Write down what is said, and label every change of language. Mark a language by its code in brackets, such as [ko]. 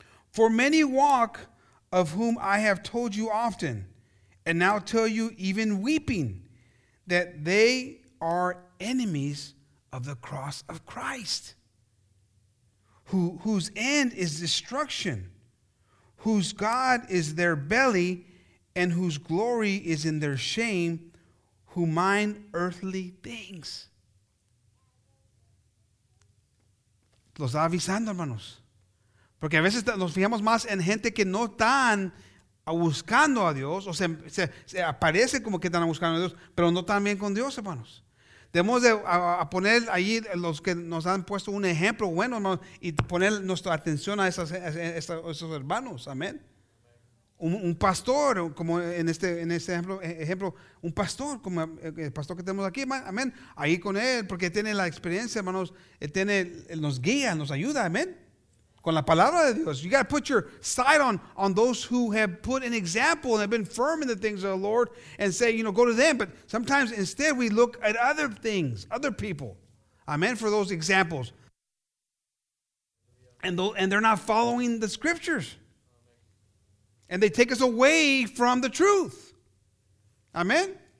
[en] For many walk, of whom I have told you often, and now tell you even weeping, that they are enemies of the cross of Christ, whose end is destruction, whose God is their belly, and whose glory is in their shame, who mind earthly things. [es] Los está avisando, hermanos. Porque a veces nos fijamos más en gente que no están buscando a Dios, o se aparece como que están buscando a Dios, pero no están bien con Dios, hermanos. Debemos a poner ahí los que nos han puesto un ejemplo bueno, hermanos, y poner nuestra atención a esos hermanos. Amén. Un pastor, como en este ejemplo, un pastor, como el pastor que tenemos aquí, amén, ahí con él, porque tiene la experiencia, hermanos, nos guía, nos ayuda, amén, con la palabra de Dios. [en] You got to put your sight on those who have put an example and have been firm in the things of the Lord and say, you know, go to them. But sometimes instead we look at other things, other people, amén, for those examples. And they're not following the scriptures. And they take us away from the truth. Amen?